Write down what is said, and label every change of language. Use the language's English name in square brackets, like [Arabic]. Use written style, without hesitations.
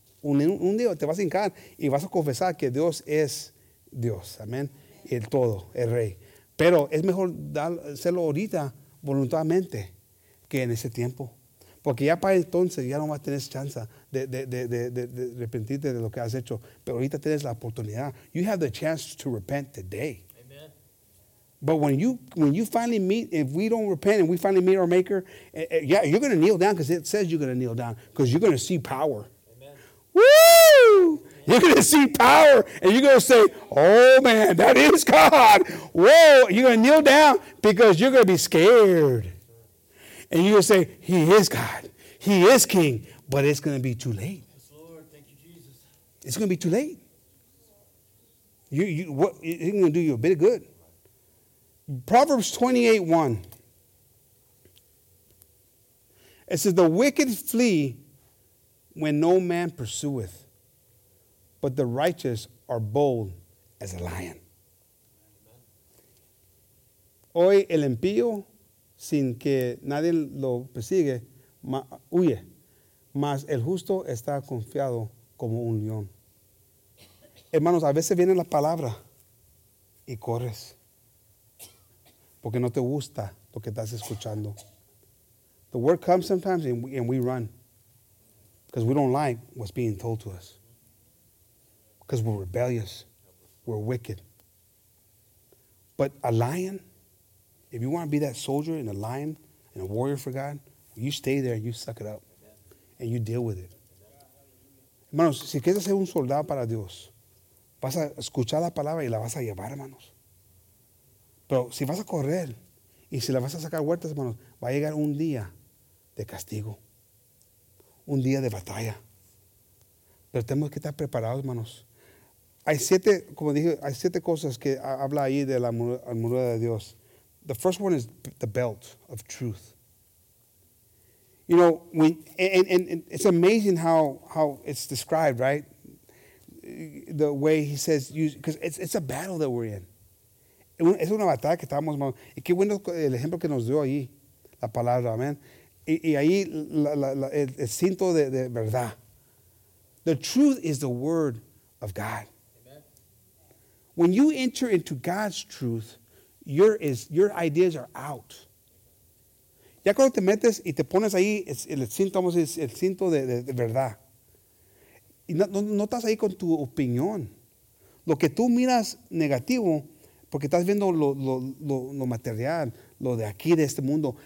[Spanish] un día te vas a hincar y vas a confesar que Dios es Dios. Amén. El todo, el rey. Pero es mejor hacerlo ahorita voluntariamente que en ese tiempo. Porque ya para entonces ya no vas a tener chance de arrepentirte de lo que has hecho. Pero ahorita tienes la oportunidad. [English] You have the chance to repent today. But when you finally meet, if we don't repent and we finally meet our maker, yeah, you're going to kneel down because it says you're going to kneel down because you're going to see power. Amen. Woo! Amen. You're going to see power and you're going to say, oh, man, that is God. Whoa, you're going to kneel down because you're going to be scared. And you're going to say, he is God. He is king. But it's going to be too late. Yes, Lord. Thank you, Jesus. It's going to be too late. What it's going to do you a bit of good. Proverbs 28:1. It says, the wicked flee when no man pursueth, but the righteous are bold as a lion. [Spanish] Hoy el impío, sin que nadie lo persigue, huye, mas el justo está confiado como un león. Hermanos, a veces viene la palabra y corres. Porque no te gusta lo que estás escuchando. [English] The word comes sometimes and we run. Because we don't like what's being told to us. Because we're rebellious. We're wicked. But a lion, if you want to be that soldier and a lion and a warrior for God, you stay there and you suck it up. And you deal with it. [Spanish] Hermanos, si quieres ser un soldado para Dios, vas a escuchar la palabra y la vas a llevar, hermanos. Pero si vas a correr y si la vas a sacar vueltas, hermanos, va a llegar un día de castigo, un día de batalla. Pero tenemos que estar preparados, hermanos. Hay siete, como dije, hay siete cosas que habla ahí de la armadura de Dios. [English] The first one is the belt of truth. You know, it's amazing how it's described, right? The way he says, because it's a battle that we're in. [Spanish] Es una batalla que estamos, hermano. Y qué bueno el ejemplo que nos dio ahí, la palabra, amén. Y ahí el cinto de verdad. [English] The truth is the word of God. Amen. When you enter into God's truth, your ideas are out. [Spanish] Ya cuando te metes y te pones ahí, el cinto de verdad. Y no estás ahí con tu opinión. Lo que tú miras negativo, porque estás viendo lo material, lo de aquí, de este mundo.